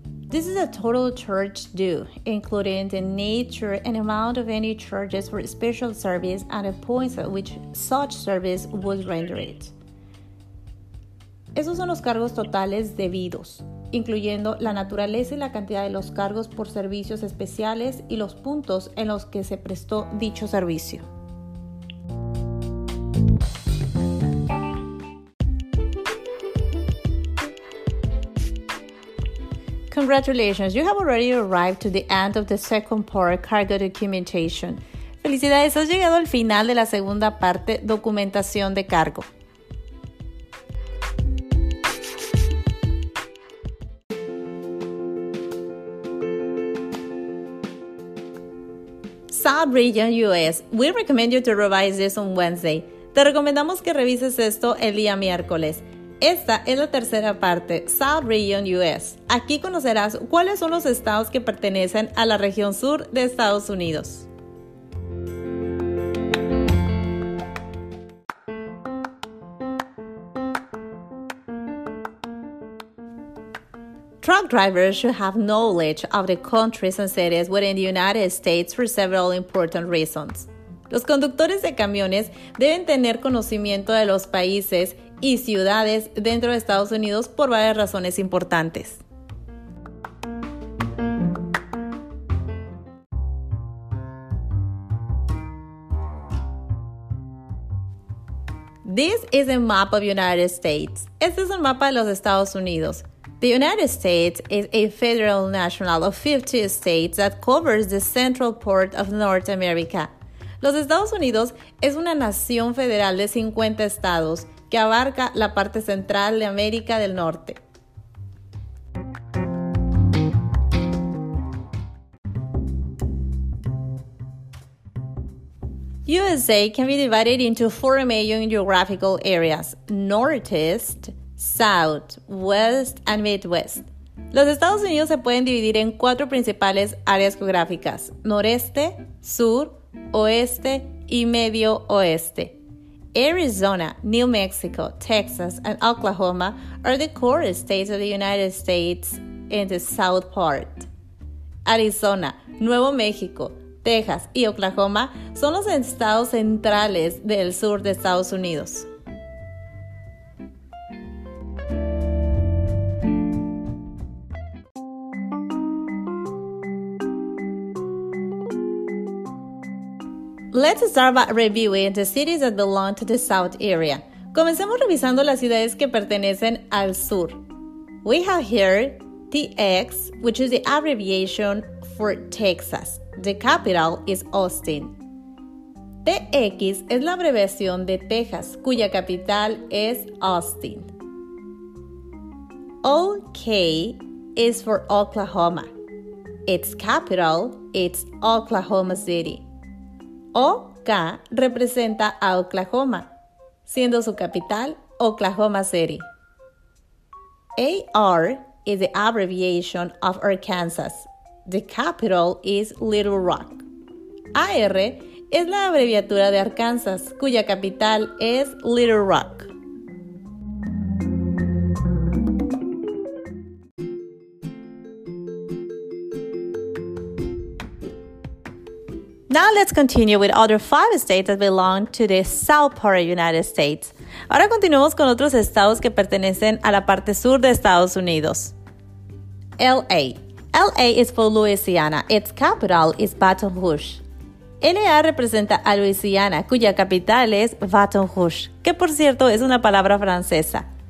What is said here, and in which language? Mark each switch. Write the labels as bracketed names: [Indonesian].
[English] This is a total charge due, including the nature and amount of any charges for special service and the points at which such service would render it. [Spanish] Esos son los cargos totales debidos, incluyendo la naturaleza y la cantidad de los cargos por servicios especiales y los puntos en los que se prestó dicho servicio. [English] Congratulations, you have already arrived to the end of the second part, cargo documentation. [Spanish] Felicidades, has llegado al final de la segunda parte, documentación de cargo. [English] South Region US, we recommend you to revise this on Wednesday. [Spanish] Te recomendamos que revises esto el día miércoles. Esta es la tercera parte, South Region US. Aquí conocerás cuáles son los estados que pertenecen a la región sur de Estados Unidos. [English] Truck drivers should have knowledge of the countries and cities within the United States for several important reasons. [Spanish] Los conductores de camiones deben tener conocimiento de los países y ciudades dentro de Estados Unidos por varias razones importantes. [English] This is a map of United States. [Spanish] Este es un mapa de los Estados Unidos. [English] The United States is a federal national of 50 states that covers the central part of North America. [Spanish] Los Estados Unidos es una nación federal de 50 estados que abarca la parte central de América del Norte. [English] USA can be divided into four major geographical areas: Northeast, South, West, and Midwest. [Spanish] Los Estados Unidos se pueden dividir en cuatro principales áreas geográficas: Noreste, Sur, Oeste y Medio Oeste. [English] Arizona, New Mexico, Texas, and Oklahoma are the core states of the United States in the south part. [Spanish] Arizona, Nuevo México, Texas, y Oklahoma son los estados centrales del sur de Estados Unidos. [English] Let's start by reviewing the cities that belong to the south area. [Spanish] Comencemos revisando las ciudades que pertenecen al sur. [English] We have here TX, which is the abbreviation for Texas. The capital is Austin. [Spanish] TX es la abreviación de Texas, cuya capital es Austin. [English] OK is for Oklahoma. Its capital is Oklahoma City. [Spanish] OK representa a Oklahoma, siendo su capital Oklahoma City. [English] AR is the abbreviation of Arkansas. The capital is Little Rock. [Spanish] AR es la abreviatura de Arkansas, cuya capital es Little Rock. [English] Now let's continue with other five states that belong to the south part of the United States. [Spanish] Ahora continuamos con otros estados que pertenecen a la parte sur de Estados Unidos. LA. [English] LA is for Louisiana. Its capital is Baton Rouge. [Spanish] LA representa a Louisiana, cuya capital es Baton Rouge, que por cierto es una palabra francesa.